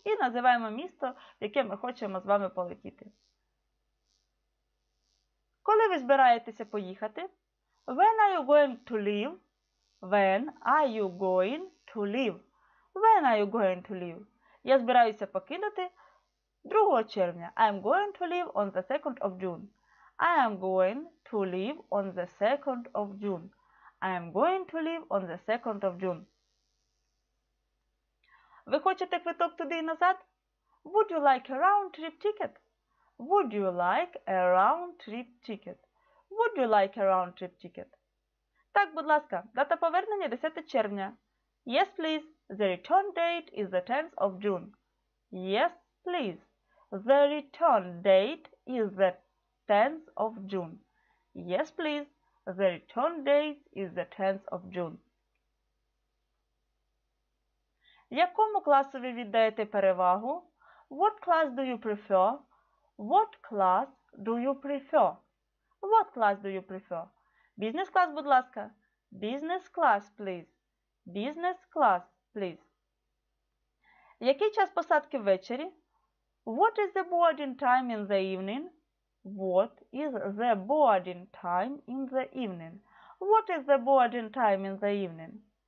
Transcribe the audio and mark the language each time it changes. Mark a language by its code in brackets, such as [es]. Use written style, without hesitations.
[uk] І називаємо місто, в яке ми хочемо з вами полетіти. Коли ви збираєтеся поїхати? [en] When are you going to leave? When are you going to leave? When are you going to leave? [uk] Я збираюся покинути 2 червня. [en] I am going to leave on the 2nd of June. I am going to leave on the 2nd of June. I am going to leave on the 2nd of June. [uk] Ви хочете квиток туди і назад? [en] Would you like a round trip ticket? Would you like a round trip ticket? Would you like a round trip ticket? [uk] Так, будь ласка, дата повернення 10 червня. [en] Yes, please. The return date is the 10th of June. Yes, please. The return date is the 10th of June. Yes, please. The return date is the 10th of June. [uk] Якому класу ви віддаєте перевагу? [en] What class do you prefer? What class do you prefer? What class do you prefer? Business class, [uk] будь ласка. [en] Business class, please. Business class, please. [uk] Який час посадки ввечері? [en] What is the boarding time in the evening? What is the boarding time in the evening? What is the boarding time in the evening?